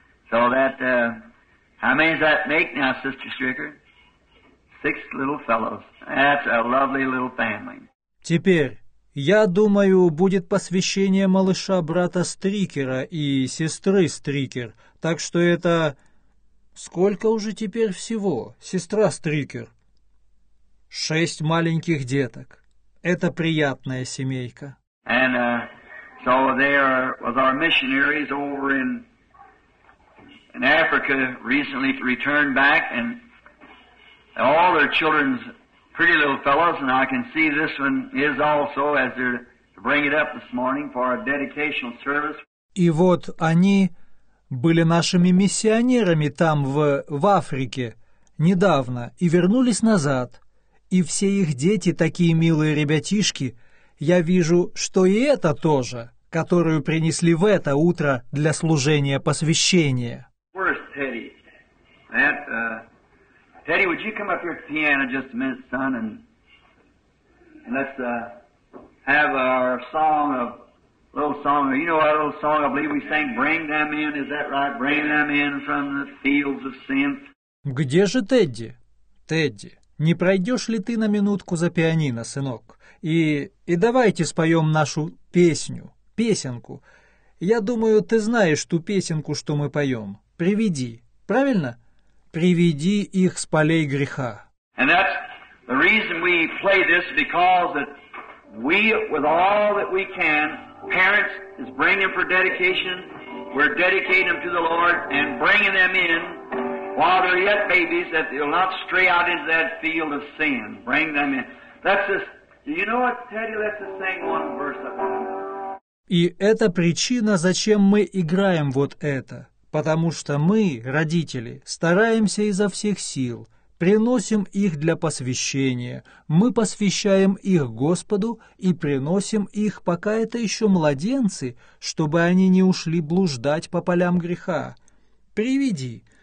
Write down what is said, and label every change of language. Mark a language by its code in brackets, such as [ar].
[en] So that, how many does that make now, Sister Stricker? Six little fellows. That's a lovely little family. [ru] Теперь, я думаю, будет посвящение малыша брата Стрикера и сестры Стрикер. Так что это... Сколько уже теперь всего, сестра Стрикер? Шесть маленьких деток. Это приятная семейка. [en] And so there was our missionaries over in Africa recently returned back, and all their children's pretty little fellows, and I can see this one is also as they're to bring it up this morning for our dedicational service. [ru] И вот они были нашими миссионерами там в Африке недавно и вернулись назад. И все их дети такие милые ребятишки. Я вижу, что и это тоже, которую принесли в это утро для служения посвящения. [en] Where's Teddy? That, Teddy, would you come up here to the piano just a minute, son, and let's have our song of little song. You know our little song I believe we sang, Bring Them In, is that right? Bring them in from the fields of sin. [ru] Где же Тедди? Тедди, не пройдешь ли ты на минутку за пианино, сынок? И давайте споем нашу песню, песенку. Я думаю, ты знаешь ту песенку, что мы поем. Приведи, правильно? Приведи их с полей греха. [en] And that's the reason we play this, because that we, with all that we can, parents, is bringing them for dedication. We're dedicating them to the Lord and bringing them in while they're yet babies, that they'll not stray out into that field of sin. Bring them in. That's just, do you know what, Teddy? Let's just sing one verse of it. [ru] И это причина, зачем мы играем вот это. Потому что мы, родители, стараемся изо всех сил, приносим их для посвящения. Мы посвящаем их Господу и приносим их, пока это еще младенцы, чтобы они не ушли блуждать по полям греха. Приведи.